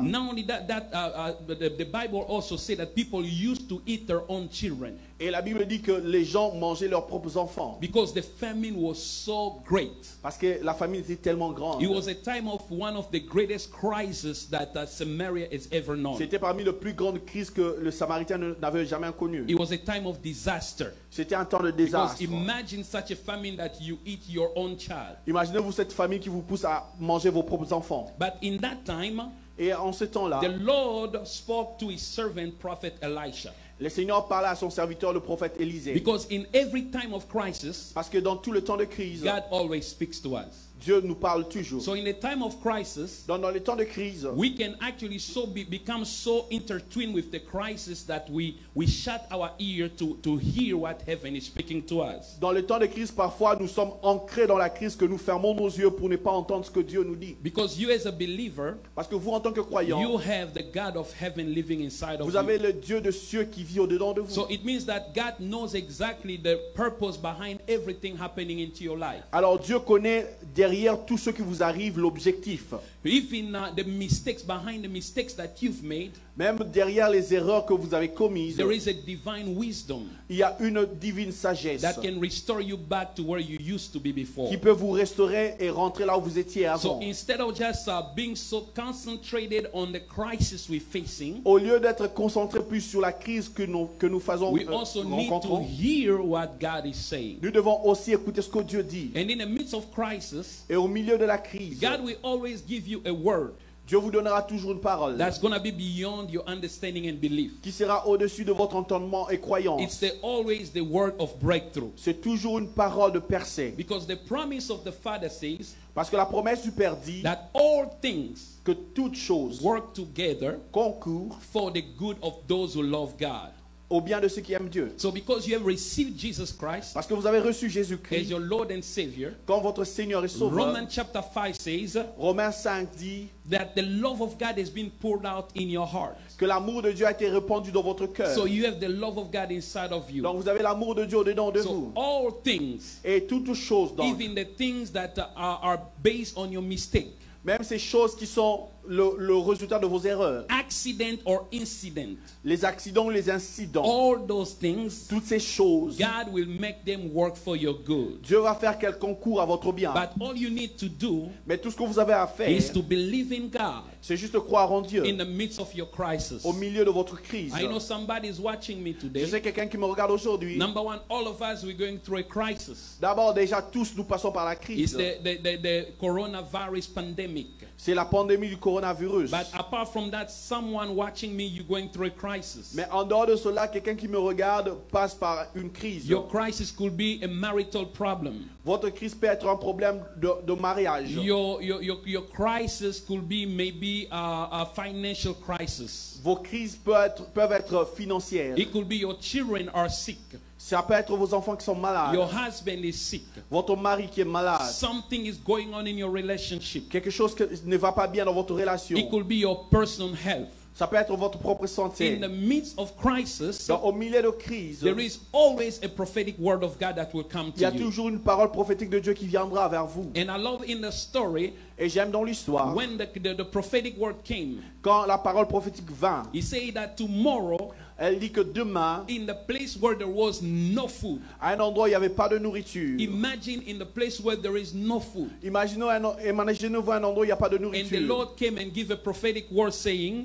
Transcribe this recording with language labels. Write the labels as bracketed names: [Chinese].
[English] Not only that, the Bible also says that people used to eat their own children. [French] Et la Bible dit que les gens mangeaient leurs propres enfants. [English] Because the famine was so great. [French] Parce que la famine était tellement grande. [English] It was a time of one of the greatest crises that Samaria has ever known. [French] C'était parmi les plus grandes crises que le Samaritain n'avait jamais connu. [English] It was a time of disaster. [French] C'était un temps de désastre. [English] Because imagine such a famine that you eat your own child. [French] Imaginez-vous cette famine qui vous pousse à manger vos propres enfants. [English] But in that time, [French] et en ce temps-là, [English] the Lord spoke to his servant prophet Elisha. [French] Le Seigneur parla à son serviteur, le prophète Élisée. [English] Because in every time of crisis, [French] parce que dans tout le temps de crise, [English] God always speaks to us. [French] Dieu nous parle toujours. [English] So in the time of crisis, [French] dans les temps de crise, [English] we can actually so become so intertwined with the crisis that we shut our ear to hear what heaven is speaking to us. [French] Dans les temps de crise, parfois nous sommes ancrés dans la crise que nous fermons nos yeux pour ne pas entendre ce que Dieu nous dit. [English] Because you as a believer, [French] parce que vous en tant que croyant, [English] you have the God of heaven living inside of you. [French] Vous avez le Dieu de cieux qui vit au-dedans de vous. [English] So it means that God knows exactly the purpose behind everything happening into your life. [French] Alors Dieu connaît derrière tout ce qui vous arrive, l'objectif. [English] Even the mistakes, behind the mistakes that you've made, [French] même derrière les erreurs que vous avez commises, [English] there is a divine wisdom, [French] il y a une divine sagesse [English] that can restore you back to where you used to be before, [French] qui peut vous restaurer et rentrer là où vous étiez avant. [English] So instead of just being so concentrated on the crisis we're facing, [French] au lieu d'être concentré plus sur la crise que nous faisons, [English] we also need to hear what God is saying. [French] Nous devons aussi écouter ce que Dieu dit. [English] And in the midst of crisis, [French] et au milieu de la crise, [English] God will always give you a word. [French] Dieu vous donnera toujours une parole. [English] That's going to be beyond your understanding and belief. [French] Qui sera au-dessus de votre entendement et croyance. [English] It's always the word of breakthrough. [French] C'est toujours une parole de percée. [English] Because the promise of the Father says, [French] parce que la promesse du Père dit, [English] that all things, [French] que toutes choses, [English] work together, [French] concourent, [English] for the good of those who love God. [French] Au bien de ceux qui aiment Dieu. [English] So because you have received Jesus Christ, [French] parce que vous avez reçu Jésus-Christ, [English] as your Lord and Savior, [French] comme votre Seigneur et Sauveur, [English] Romans chapter 5 says, [French] Romains 5 dit, [English] that the love of God has been poured out in your heart, [French] que l'amour de Dieu a été répandu dans votre cœur. [English] So you have the love of God inside of you. [French] Donc vous avez l'amour de Dieu au-dedans de [English] so [French] vous. [English] All things, [French] et toutes choses, donc, [English] even the things that are based on your mistake, [French] même ces choses qui sont le résultat de vos erreurs, [English] ask accident or incident. [French] Les accidents, les incidents. [English] All those things. [French] Toutes ces choses. [English] God will make them work for your good. [French] Dieu va faire qu'elles concourent à votre bien. [English] But all you need to do. [French] Mais tout ce que vous avez à faire. [English] Is to believe in God. [French] C'est juste croire en Dieu. [English] In the midst of your crisis. [French] Au milieu de votre crise. [English] I know somebody is watching me today. [French] Je sais quelqu'un qui me regarde aujourd'hui. [English] Number one, all of us we're going through a crisis. [French] D'abord, déjà tous nous passons par la crise. [English] It's the coronavirus pandemic. [French] C'est la pandémie du coronavirus. [English] But apart from that, someone watching me, you're going through a crisis. [French] Mais en dehors de cela, quelqu'un qui me regarde passe par une crise. [English] Your crisis could be a marital problem. [French] Votre crise peut être un problème de mariage. [English] Your crisis could be maybe a financial crisis. [French] Vos crises peuvent être financières. [English] It could be your children are sick. [French] Ça peut être vos enfants qui sont malades. [English] Your husband is sick. [French] Votre mari qui est malade. [English] Something is going on in your relationship. [French] Quelque chose qui ne va pas bien dans votre relation. [English] It could be your personal health. [French] Ça peut être votre propre santé. [English] In the midst of crisis, [French] dans, au milieu de crise, [English] there is always a prophetic word of God that will come to you. [French] Il y a toujours une parole prophétique de Dieu qui viendra vers vous. [English] And I love in the story. [French] Et j'aime dans l'histoire. [English] When the prophetic word came, [French] quand la parole prophétique vint, [English] he said that tomorrow. [French] Elle dit que demain, [English] in the place where there was no food, [French] à un endroit où il n'y avait pas de nourriture, [English] imagine in the place where there is no food, [French] imaginez-vous un endroit où il n'y a pas de nourriture, [English] and the Lord came and gave a prophetic word saying,